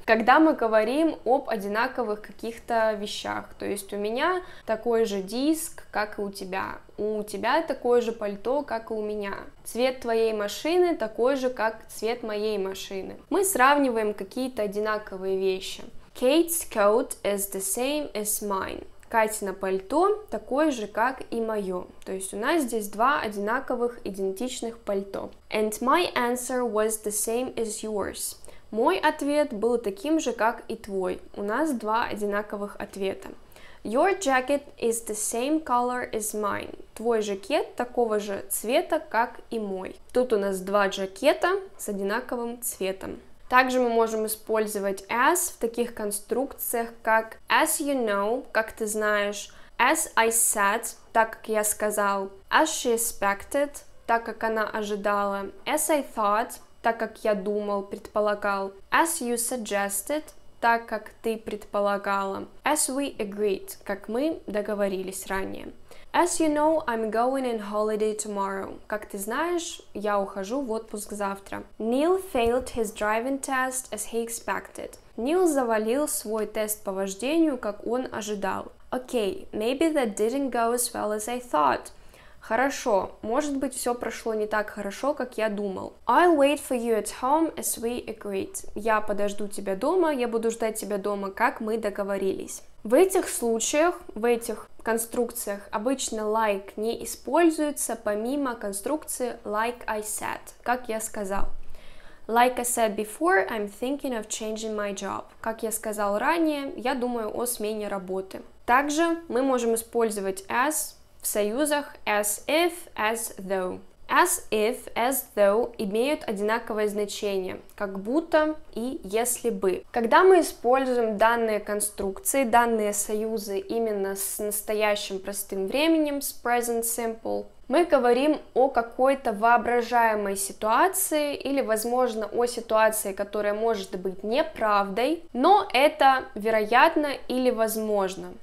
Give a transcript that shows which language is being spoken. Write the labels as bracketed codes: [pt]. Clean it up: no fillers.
[ru] Когда мы говорим об одинаковых каких-то вещах, то есть у меня такой же диск, как и у тебя такое же пальто, как и у меня, цвет твоей машины такой же, как цвет моей машины. Мы сравниваем какие-то одинаковые вещи. [en] Kate's coat is the same as mine. [ru] Катина пальто такое же, как и мое. То есть у нас здесь два одинаковых, идентичных пальто. [en] And my answer was the same as yours. [ru] Мой ответ был таким же, как и твой. У нас два одинаковых ответа. [en] Your jacket is the same color as mine. [ru] Твой жакет такого же цвета, как и мой. Тут у нас два жакета с одинаковым цветом. Также мы можем использовать as в таких конструкциях, как [en] as you know, [ru] как ты знаешь, [en] as I said, [ru] так как я сказал, [en] as she expected, [ru] так как она ожидала, [en] as I thought, [ru] так как я думал, предполагал, [en] as you suggested, [ru] так как ты предполагала, [en] as we agreed, [ru] как мы договорились ранее. [en] As you know, I'm going on holiday tomorrow. [ru] Как ты знаешь, я ухожу в отпуск завтра. [en] Neil failed his driving test as he expected. [ru] Neil завалил свой тест по вождению, как он ожидал. [en] Okay, maybe that didn't go as well as I thought. [ru] Хорошо, может быть, все прошло не так хорошо, как я думал. [en] I'll wait for you at home as we agreed. [ru] Я подожду тебя дома, я буду ждать тебя дома, как мы договорились. В этих случаях, в этих конструкциях обычно like не используется, помимо конструкции [en] like I said, [ru] как я сказал. [en] Like I said before, I'm thinking of changing my job. [ru] Как я сказал ранее, я думаю о смене работы. Также мы можем использовать as в союзах as if, as though. As if, as though имеют одинаковое значение, как будто и если бы. Когда мы используем данные конструкции, данные союзы именно с настоящим простым временем, с present simple, мы говорим о какой-то воображаемой ситуации или, возможно, о ситуации, которая может быть неправдой, но это вероятно или возможно.